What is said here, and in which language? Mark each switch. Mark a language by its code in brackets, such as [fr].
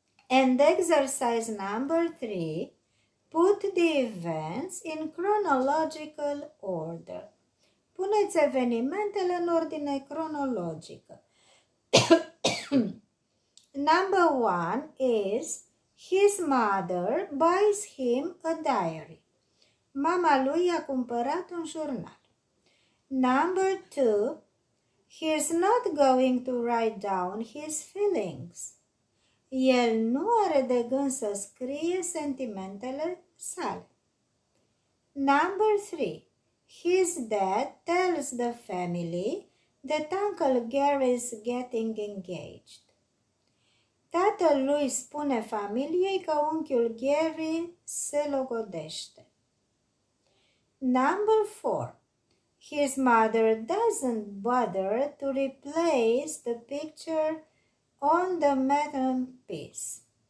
[en] And exercise number three, put the events in chronological order. [ro] Puneți evenimentele în ordine cronologică. [en] Number one is, his mother buys him a diary. [ro] Mama lui a cumpărat un jurnal. [en] Number two, he is not going to write down his feelings. [ro] El nu are de gând să scrie sentimentele sale. [en] Number three. His dad tells the family that Uncle Gary is getting engaged. [ro] Tatăl lui spune familiei că unchiul Gary se logodește. [en] Number four. His mother doesn't bother to replace the picture on the mantelpiece.